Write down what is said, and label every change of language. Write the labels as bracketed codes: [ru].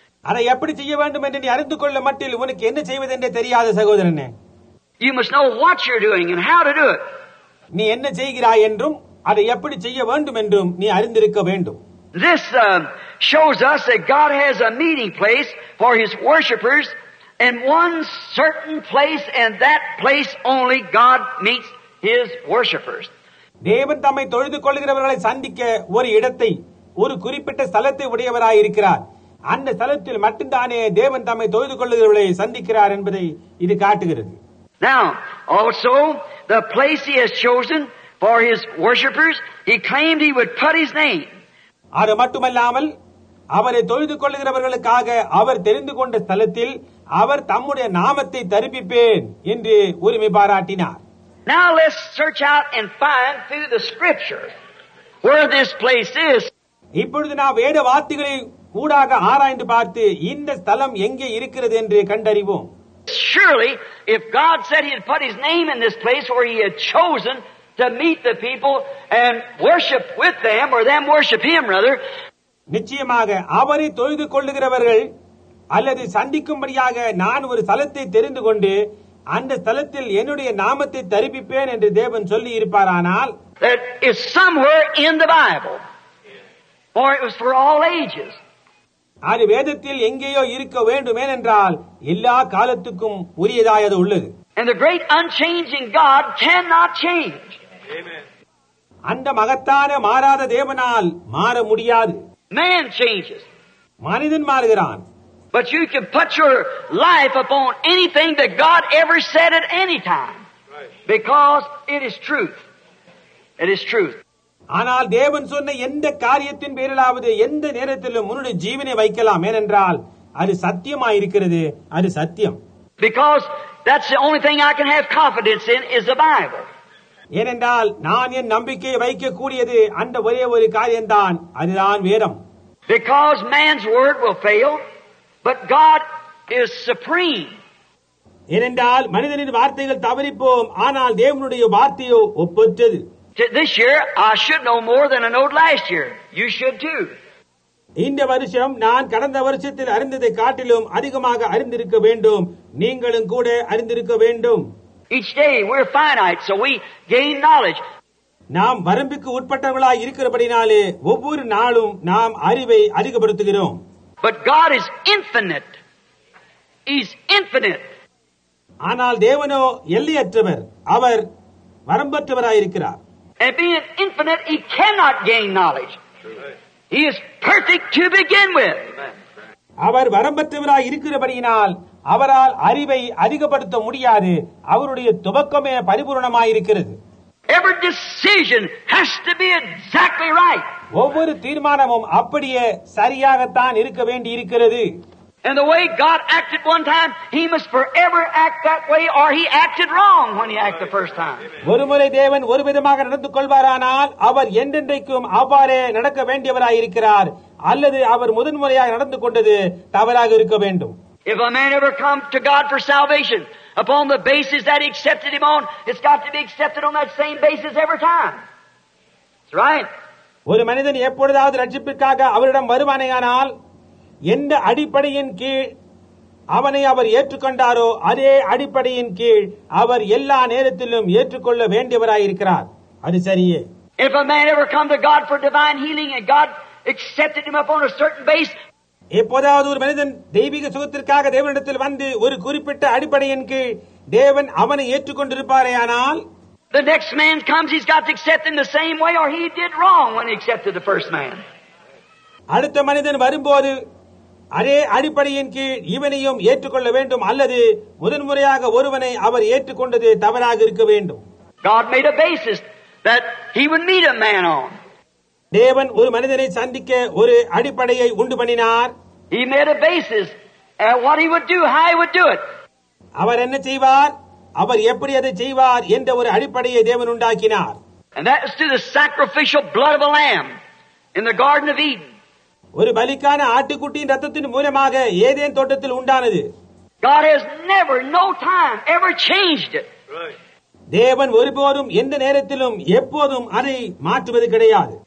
[ta] அதை எப்படி செய்ய வேண்டும் என்று நீ அறிந்து கொள்ளும் மட்டில் உனக்கு என்ன செய்வதென்றே தெரியாது சகோதரனே. [en] You must know what you're doing and how to do it. [ta] நீ என்ன செய்கிறாய் என்றும் அதை எப்படி செய்ய வேண்டும் என்றும் நீ அறிந்திருக்க வேண்டும். [en] This shows us that God has a meeting place for his worshippers. In one certain place, and that place only, God meets his worshippers. [ta] தேவன் தம்மை தொழுது கொள்கிறவர்களை சந்திக்க ஒரு இடத்தை, ஒரு குறிப்பிட்ட ஸ்தலத்தை உடையவராய் இருக்கிறார். அந்த ஸ்தலத்தில் மட்டும்தானே தேவன் தம்மை தொழுது கொள்கிறவர்களை சந்திக்கிறார் என்பதை இது காட்டுகிறது. [en] Now, also, the place he has chosen for his worshippers, he claimed he would put his name. [ta] அது மட்டுமல்லாமல் அவரை தொழுது கொள்கிறவர்களுக்காக அவர் தெரிந்து கொண்ட ஸ்தலத்தில் அவர் தம்முடைய நாமத்தை தரிப்பிப்பேன் என்று உரிமை பாராட்டினார். [en] Now let's search out and find through the scripture where this place is. [ta] இப்பொழுது நாம் வேத வார்த்தைகளை ஊடாக ஆராய்ந்து பார்த்து இந்த ஸ்தலம் எங்கே இருக்கிறது என்று கண்டறிவோம். [en] Surely if God said he had put his name in this place where he had chosen to meet the people and worship with them or them worship him rather. [ta] நிச்சயமாக அவரை தொழுது கொள்ளுகிறவர்கள் அல்லது சந்திக்கும்படியாக நான் ஒரு ஸ்தலத்தை தெரிந்து கொண்டு அந்த ஸ்தலத்தில் என்னுடைய நாமத்தை தரிப்பிப்பேன் என்று தேவன் சொல்லி இருப்பாரானால் [en] that is somewhere in the Bible or it was for all ages. [ta] அது வேதத்தில் எங்கேயோ இருக்க வேண்டுமே என்றால் எல்லா காலத்துக்கும் உரியதாய் அது உள்ளது. [en] And the great unchanging God cannot change. Amen. [ta] அந்த மகத்தான மாறாத தேவனால் மாற முடியாது. [en] Man changes. [ta] மனிதன் மாறுகிறான். [en] But you can put your life upon anything that God ever said at any time. Because it is truth. It is truth. [ta] ஆனால் தேவன் சொன்ன எந்த காரியத்தின் பேரிலாவது எந்த நேரத்திலும் உன்னுடைய ஜீவனை வைக்கலாம். ஏனென்றால் அது சத்தியமாயிருக்கிறது. அது சத்தியம். [en] Because that's the only thing I can have confidence in is the Bible. [ta] ஏனென்றால் நான் என் நம்பிக்கையை வைக்கக்கூடியது அந்த ஒரே ஒரு காரியம்தான். அதுதான் வேதம். [en] Because man's word will fail. But God is supreme. [ta] இரண்டால் மனிதனின் வார்த்தைகள் தவறிப்போம், ஆனால் தேவனுடைய வார்த்தையோ ஒப்பற்றது. [en] This year I should know more than I know last year. You should too. [ta] இந்த வருஷம் நான் கடந்த வருஷத்தில் அறிந்ததை காட்டிலும் அதிகமாக அறிந்திருக்க வேண்டும். நீங்களும் கூட அறிந்திருக்க வேண்டும். [en] Each day we're finite, so we gain knowledge. [ta] நாம் வரம்புக்கு உட்பட்டவர்களாய் இருக்கிறபடினாலே ஒவ்வொரு நாளும் நாம் அறிவை அதிகப்படுத்துகிறோம். [en] But God is infinite. He's infinite. [ta] ஆனால் தேவனோ எல்லையற்றவர். அவர் வரம்பற்றவராயிருக்கிறார். [en] And being infinite, he cannot gain knowledge. He is perfect to begin with. [ta] அவர் வரம்பற்றவராய் இருக்கிறபடியினால் அவரால் அறிவை அதிகப்படுத்த முடியாது. அவருடைய துவக்கமே பரிபூர்ணமாயிருக்கிறது. [en] Every decision has to be exactly right. [ta] ஒவ்வொரு தீர்மானமும் அப்படியே சரியாகத்தான் இருக்க வேண்டி இருக்கிறது. [en] And the way God acted one time, he must forever act that way, or he acted wrong when he acted the first time. [ta] ஒருமுறை தேவன் ஒரு விதமாக நடந்து கொள்வாரானால் அவர் என்றென்றைக்கும் அவ்வாறே நடக்க வேண்டியவராய் இருக்கிறார். அல்லது அவர் முதன்முறையாக நடந்து கொண்டது தவறாக இருக்க வேண்டும். [en] If a man ever come to God for salvation upon the basis that he accepted him on, it's got to be accepted on that same basis every time. That's right. [ta] ஒரு மனிதன் எப்பொழுதாவது ரட்சிப்பிற்காக அவரிடம் வருவானேயானால் எந்த அடிப்படையின் கீழ் அவனை அவர் ஏற்றுக்கொண்டாரோ அதே அடிப்படையின் கீழ் அவர் எல்லா நேரத்திலும் ஏற்றுக்கொள்ள வேண்டியவராயிருக்கிறார். அது சரியே. [en] If a man ever come to God for divine healing and God accepted him upon a certain base, [ta] எப்போதாவது ஒரு மனிதன் தெய்வீக சுகத்திற்காக தேவனிடத்தில் வந்து ஒரு குறிப்பிட்ட அடிப்படையின் கீழ் தேவன் அவனை ஏற்றுக்கொண்டிருப்பாரே ஆனால் [en] the next man comes, he's got to accept him the same way, or he did wrong when he accepted the first man. [ta] அடுத்த மனிதன் வரும்போது அதே அடிப்படையின் கீழ் இவனையும் ஏற்றுக்கொள்ள வேண்டும். அல்லது முதன்முறையாக ஒருவனை அவர் ஏற்றுக்கொண்டது தவறாக இருக்க வேண்டும். [en] God made a basis that he would meet a man on. [ta] தேவன் ஒரு மனிதனை சந்திக்க ஒரு அடிப்படையை உண்டு பண்ணினார். [en] He made a basis at what he would do, how he would do it. [ta] அவர் என்ன செய்வார், அவர் எப்படி அதை செய்வார் என்ற ஒரு அடிப்படையை தேவன் உண்டாக்கினார். [en] And that is through the sacrificial blood of a lamb in the Garden of Eden. [ta] ஒரு பலிக்கான ஆட்டுக்குட்டியின் ரத்தத்தின் மூலமாக ஏதேன் தோட்டத்தில் உண்டானது. [en] God has never, no time, ever changed it. [ta] தேவன் ஒருபோதும் எந்த நேரத்திலும் எப்போதும் அதை மாற்றுவது கிடையாது.